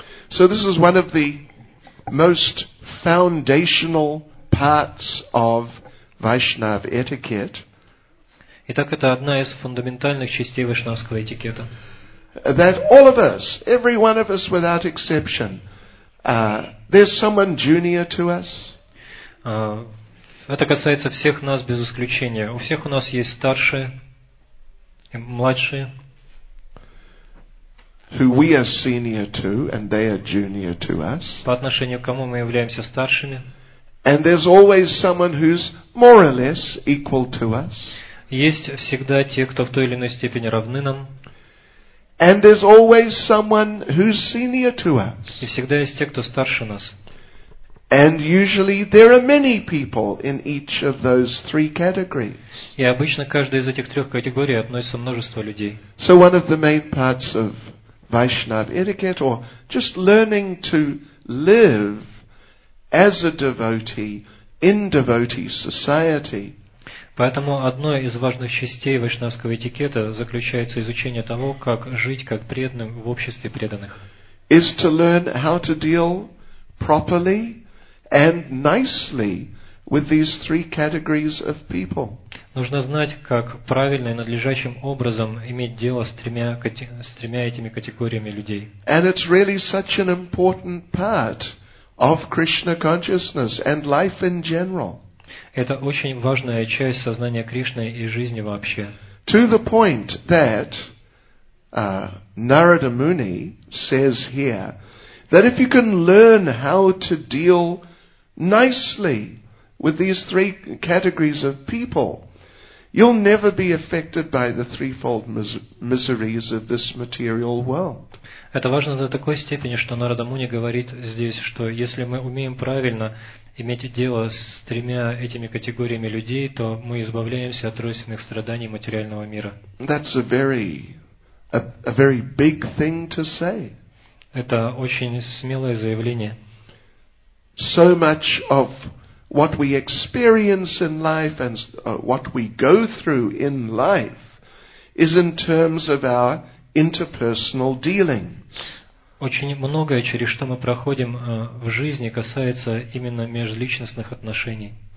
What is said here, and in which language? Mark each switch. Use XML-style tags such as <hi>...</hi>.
<en>So this is one of the most foundational parts of Vaishnav etiquette.</en> <ru>Итак, это одна из фундаментальных частей вайшнавского этикета.</ru> <en>That all of us, every one of us without exception, there's someone junior to us.</en> <ru>Это касается всех нас без исключения. У всех у нас есть старшие и младшие.</ru> <en>Who we are senior to, and they are junior to us.</en> <ru>По отношению к кому мы являемся старшими.</ru> <en>And there's always someone who's more or less equal to us.</en> <ru>Есть всегда те, кто в той или иной степени равны нам.</ru> <en>And there's always someone who's senior to us.</en> <ru>И всегда есть те, кто старше нас.</ru> <en>And usually there are many people in each of those three categories.</en> <ru>И обычно каждая из этих трех категорий относится множество людей.</ru> <en>So one of the main parts of Vaishnav etiquette, or just learning to live as a devotee in devotee society.</en> <ru>Поэтому одной из важных частей вайшнавского этикета заключается изучение того, как жить как преданным в обществе преданных.</ru> <en>Is to learn how to deal properly and nicely with these three categories of people.</en> <ru>Нужно знать, как правильно и надлежащим образом иметь дело с тремя этими категориями людей.</ru> <en>And it's really such an important part of Krishna consciousness and life in general.</en> <ru>Это очень важная часть сознания Кришны и жизни вообще.</ru> <en>To the point that Narada Muni says here that if you can learn how to deal nicely with these three categories of people, you'll never be affected by the threefold miseries of this material world.</en> <ru>Это важно до такой степени, что Нарада Муни говорит здесь, что если мы умеем правильно иметь дело с тремя этими категориями людей, то мы избавляемся от тройственных страданий материального мира.</ru> <en>That's a very big thing to say.</en> <ru>Это очень смелое заявление.</ru> <en>So much of what we experience in life and what we go through in life is in terms of our interpersonal dealing.</en> <ru>Очень многое, через что мы проходим в жизни, касается именно межличностных отношений.</ru>